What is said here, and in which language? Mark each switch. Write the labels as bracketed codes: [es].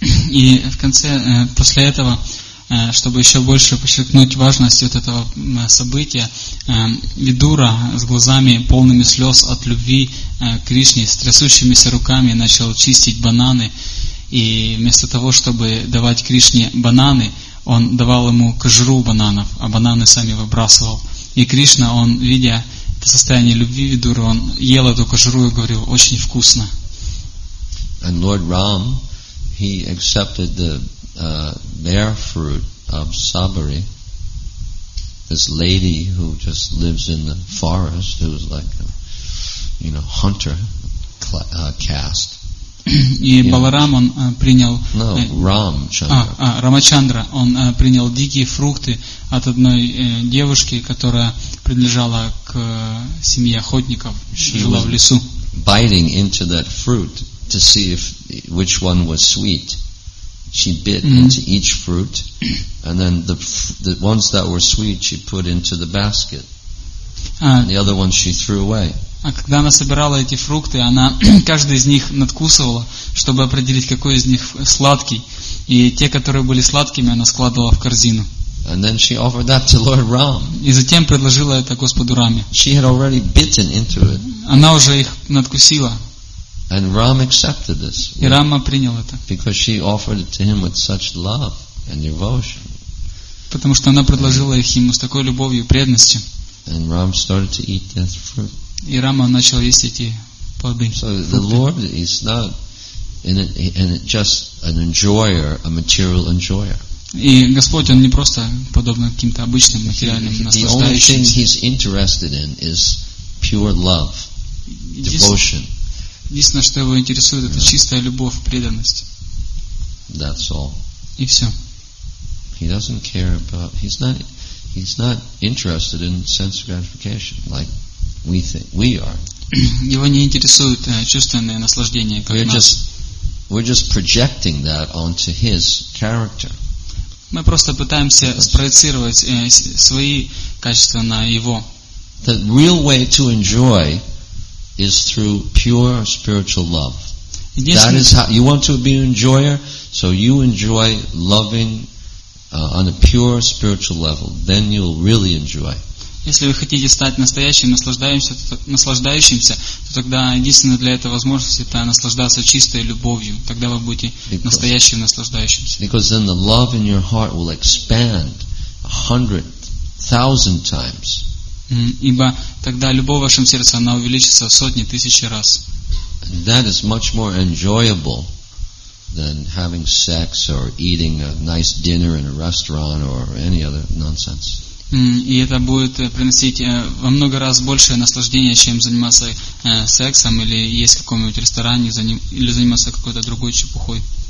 [ru] И в конце, после этого, чтобы еще больше подчеркнуть важность вот этого события, Видура с глазами полными слез от любви к Кришне, с трясущимися руками начал чистить бананы. И вместо того, чтобы давать Кришне бананы, он давал ему кожуру бананов, а бананы сами выбрасывал. И Кришна, он, видя это состояние любви Видуры, он ел эту кожуру и говорил, очень вкусно. [en] And Lord Ram, he accepted the bear fruit of Sabari, this lady who just lives in the forest, who is like a, you know, hunter caste. [ru] И Баларам, он принял... [en] No, Рамачандра. [ru] Рамачандра, он принял дикие фрукты от одной девушки, которая принадлежала к семье охотников, жила в лесу. [en] Biting into that fruit to see if which one was sweet. She bit into each fruit, and then the ones that were sweet she put into the basket, and the other ones she threw away. [ru] А когда она собирала эти фрукты, она каждый из них надкусывала, чтобы определить, какой из них сладкий, и те, которые были сладкими, она складывала в корзину. [en] And then she offered that to Lord Ram. [ru] И затем предложила это Господу Раме. [en] She had already bitten into it. [ru] Она уже их надкусила. [en] And Ram accepted this. [ru] И Рама принял это. [en] Because she offered it to him with such love and devotion. [ru] Потому что она предложила их ему с такой любовью и преданностью. [en] And Ram started to eat that fruit. [ru] И Рама начал есть эти плоды. [en] So the Lord is not just an enjoyer, a material enjoyer. [ru] И Господь, он не просто подобно каким-то обычным материальным наслаждающимся. [en] The only thing he's interested in is pure love, devotion. [ru] Единственное, что его интересует, это чистая любовь, преданность. [en] That's all. [ru] И все. [en] He doesn't care about. He's not interested in sense gratification, like we think we are. [ru] Его не интересует чувственное наслаждение, как [en] we're [ru] нас. [en] We're just projecting that onto his character. [ru] Мы просто пытаемся спроецировать свои качества на его. [en] The real way to enjoy is through pure spiritual love. That is how you want to be an enjoyer, so you enjoy loving on a pure spiritual level, then you'll really enjoy. [ru] Если вы хотите стать настоящим наслаждающимся, то тогда единственная для этого возможность это наслаждаться чистой любовью. Тогда вы будете настоящим наслаждающимся. [en] Because then the love in your heart will expand 100,000 times. [ru] Ибо тогда любовь в вашем сердце она увеличится в сотни тысяч раз. [en] That is much more enjoyable than having sex or eating a nice dinner in a restaurant or any other nonsense. [ru] И это будет приносить во много раз большее наслаждение, чем заниматься сексом или есть в каком-нибудь ресторане или заниматься какой-то другой чепухой.